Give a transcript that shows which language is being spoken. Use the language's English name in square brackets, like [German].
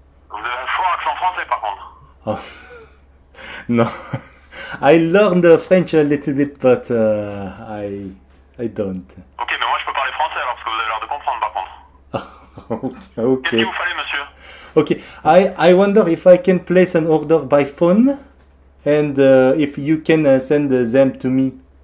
[French] Vous avez un fort accent français, par contre. Oh. Non. [English] I learned the French a little bit, but I don't. [French] Ok, mais moi je peux parler français alors, parce que vous avez l'air de comprendre, par contre. Oh, ok. Qu'est-ce qu'il vous fallait, monsieur? [English] Ok, I wonder if I can place an order by phone, and if you can send them to me.